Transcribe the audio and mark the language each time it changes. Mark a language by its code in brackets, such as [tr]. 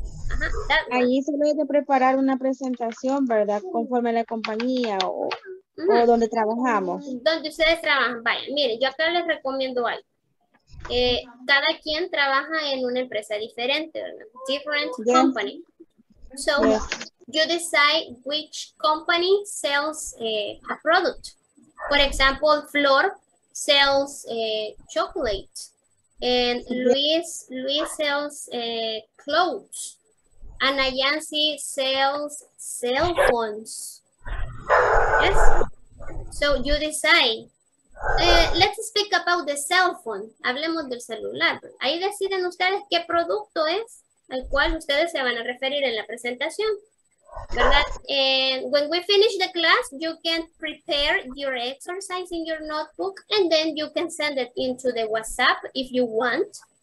[es] Ajá, ahí se debe de preparar una presentación, ¿verdad? Conforme a la compañía o, uh-huh, o donde trabajamos. Donde ustedes trabajan. Vaya, miren, yo acá les recomiendo algo. Cada quien trabaja en una empresa diferente, ¿verdad? [en] Different company. So, you decide which company sells a product. For example, Flor sells chocolate. And Luis sells clothes. Ana Yancy sells cell phones. Yes? So you decide. Let's speak about the cell phone. [es] Hablemos del celular. Ahí deciden ustedes qué producto es al cual ustedes se van a referir en la presentación. ¿Verdad? [en] And when we finish the class, you can prepare your exercise in your notebook and then you can send it into the WhatsApp if you want.